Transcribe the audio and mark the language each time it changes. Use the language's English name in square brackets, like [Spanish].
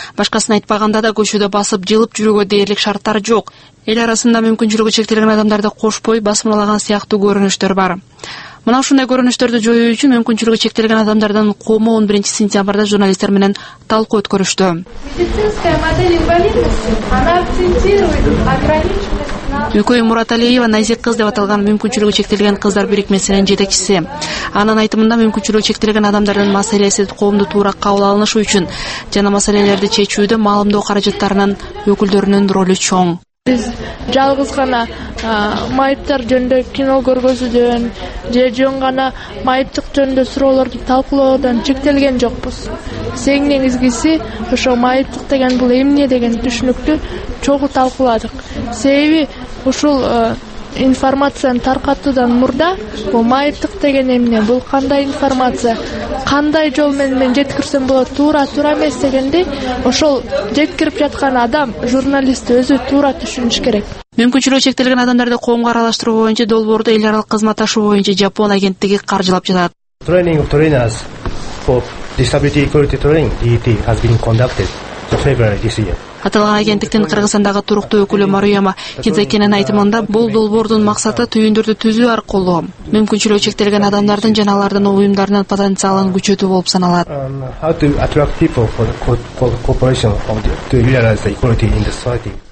[Kyrgyz] Башкасын айтпаганда да көчөдө басып жылып жүрүүгө дээрлик шарттар жок. Эл арасында мүмкүнчүлүгү чектелген адамдарды кошпой басмалаган сыяктуу көрүнүштөр бар. Мына ушундай көрүнүштөрдү жоюу үчүн мүмкүнчүлүгү чектелген адамдардын коому 11-сентябрда журналисттер менен талкуу өткөрүштү. [Russian] Медицинская модель инвалидности, она акцентирует ограниченность на [Kyrgyz] Үкөй Мураталиева Назик кыз деп аталган мүмкүнчүлүгү чектелген кыздар бирикмесинин жетекчиси. Анын айтымында мүмкүнчүлүгү чектелген адамдардын маселеси коомдо туура кабыл алынышы үчүн жана маселелерди чечүүдө маалымдоо каражаттарынын өкүлдөрүнүн ролу чоң. Биз жалгыз гана майыптар жөнүндө кино көргөзүүдөн же жөн гана майыптык жөнүндө суроолорду талкуулоодон чектелген жокпуз. Биз эң негизгиси ошо майыптык деген бул эмне деген түшүнүктү чогуу талкууладык. Себеби ушул информацияны таркатуудан мурда бул майыптык деген эмне, бул кандай информация, кандай жол менен мен жеткирсем болот, туура туура эмес дегенди ошол жеткирип жаткан адам, журналист өзү туура түшүнүш керек. Мүмкүнчүлүгү чектелген адамдарды коомго аралаштыруу боюнча долбоорду эл аралык кызмат ашуу боюнча Жапон агенттиги каржылап жатат. [English] Training of trainers for disability equality training DET has been conducted in February this year. [Kyrgyz] Аталган агенттиктин Кыргызстандагы туруктуу өкүлү Маруяма Кидзекенин айтымында бул долбоордун максаты түйүндөрдү түзүү аркылуу мүмкүнчүлүгү чектелген адамдардын жана алардын уюмдарынын потенциалын күчөтүү болуп саналат.